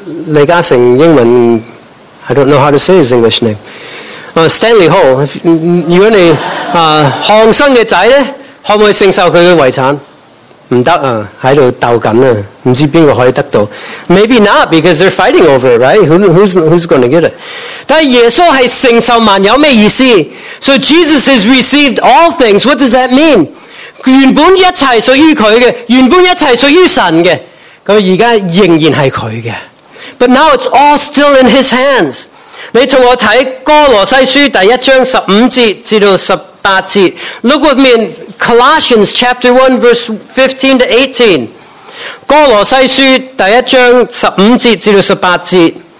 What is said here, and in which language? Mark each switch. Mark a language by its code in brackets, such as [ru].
[yue] 尼嘉盛英文， [en] I don't know how to say his English name. Stanley Hall, if, [yue] 如果你韩生的仔咧，可唔可以承受佢嘅遗产？唔得啊，喺度斗紧啊，唔知边个可以得到。 [en] Maybe not, because they're fighting over it, right? Who's going to get it? [yue] 但耶稣系承受万有咩意思 [en] ？So Jesus has received all things. What does that mean? [yue] 原本一切属于佢嘅，原本一切属于神嘅，咁而家仍然系佢嘅。 [en] But now it's all still in His hands. [yue] 你同我睇哥罗西书第一章十五节至到十八节。 [en] Look with me in Colossians chapter 1 verse 15 to 18。 [yue] 哥罗西书第一章十五节至到十八节。